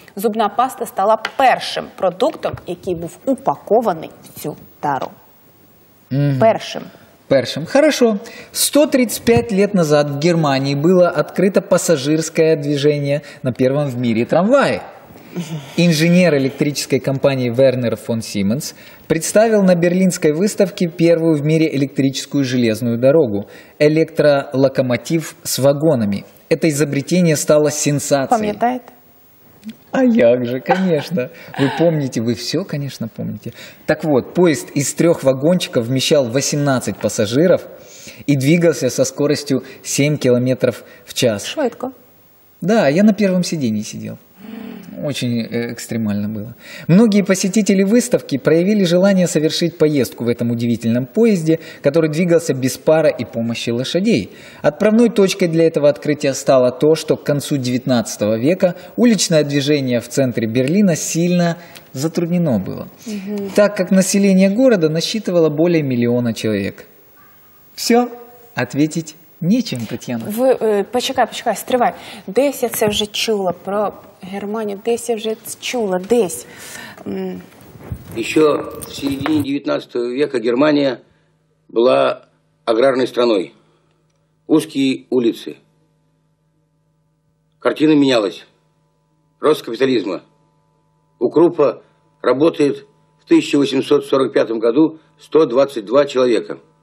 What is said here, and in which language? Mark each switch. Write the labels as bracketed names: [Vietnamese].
[Ukrainian] Зубна паста стала першим продуктом, який був упакований в цю тару. Першим. Першим. [Russian] Хорошо. [Ukrainian] 135 [Russian] лет назад [Ukrainian] в Германії було відкрите пасажирське движення на першому в мірі трамваї. [Russian] Инженер электрической компании Вернер фон Сименс представил на берлинской выставке первую в мире электрическую железную дорогу – электролокомотив с вагонами. Это изобретение стало сенсацией. Помнит? А как же, конечно. Вы помните, вы все, конечно, помните. Так вот, поезд из трех вагончиков вмещал 18 пассажиров и двигался со скоростью 7 км в час. [Ukrainian] Швидко. [Russian] Да, я на первом сиденье сидел. Очень экстремально было. Многие посетители выставки проявили желание совершить поездку в этом удивительном поезде, который двигался без пара и помощи лошадей. Отправной точкой для этого открытия стало то, что к концу 19 века уличное движение в центре Берлина сильно затруднено было, так как население города насчитывало более 1 000 000 человек. Все, ответить нечем, Татьяна. [Ukrainian] Вы, почекай, стривай. Десь я це вже чула про Германию, десь я вже чула, десь. [Russian] Еще в середине 19 века Германия была аграрной страной. Узкие улицы. Картина менялась. Рост капитализма. У Круппа работает в 1845 году 122 человека.